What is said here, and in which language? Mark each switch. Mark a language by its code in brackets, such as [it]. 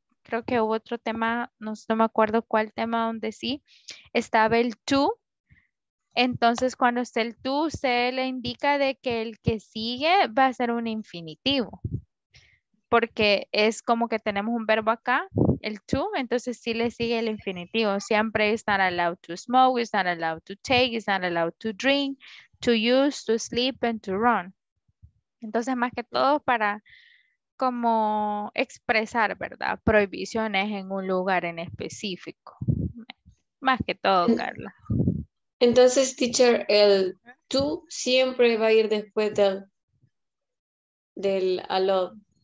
[es] Creo que hubo otro tema, no me acuerdo cuál tema, donde sí estaba el to. Entonces, cuando esté el tú, se le indica de que el que sigue va a ser un infinitivo. Porque es como que tenemos un verbo acá, el tú, entonces sí le sigue el infinitivo. Siempre [en] is not allowed to smoke, is not allowed to take, is not allowed to drink, to use, to sleep, and to run. [es] Entonces, más que todo para como expresar, ¿verdad? Prohibiciones en un lugar en específico. Más que todo, Carla. Entonces, teacher, el to siempre va a ir después del allowed.